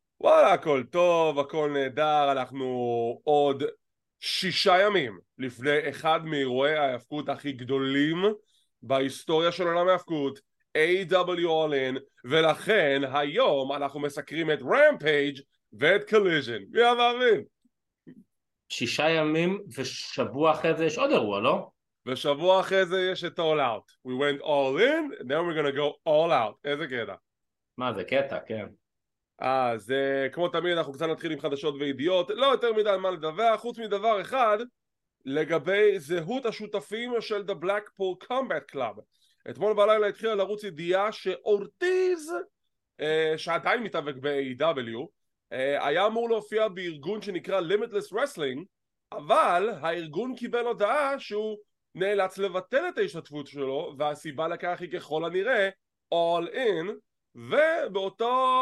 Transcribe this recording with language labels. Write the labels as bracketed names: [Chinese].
[Hebrew] וואלה, הכל טוב, הכל נהדר, אנחנו עוד שישה ימים לפני אחד מאירועי ההפקות הכי גדולים בהיסטוריה של עולם ההפקות, AEW All In, ולכן היום אנחנו מסקרים את Rampage ואת Collision. מי המאמין? שישה ימים ושבוע אחרי זה יש עוד אירוע, לא? ושבוע אחרי זה יש את All Out. [English] We went all in, then we're gonna go all out. [Hebrew] איזה קטע. מה, זה קטע, כן. אז כמו תמיד אנחנו קצת נתחיל עם חדשות וידיעות, לא יותר מדי על מה לדווח, חוץ מדבר אחד, לגבי זהות השותפים של The Blackpool Combat Club. אתמול בלילה התחילה לרוץ ידיעה שאורטיז, שעדיין מתאבק ב-AEW, היה אמור להופיע בארגון שנקרא Limitless Wrestling, אבל הארגון קיבל הודעה שהוא נאלץ לבטל את ההשתתפות שלו, והסיבה לכך היא ככל הנראה, All In, ובאותו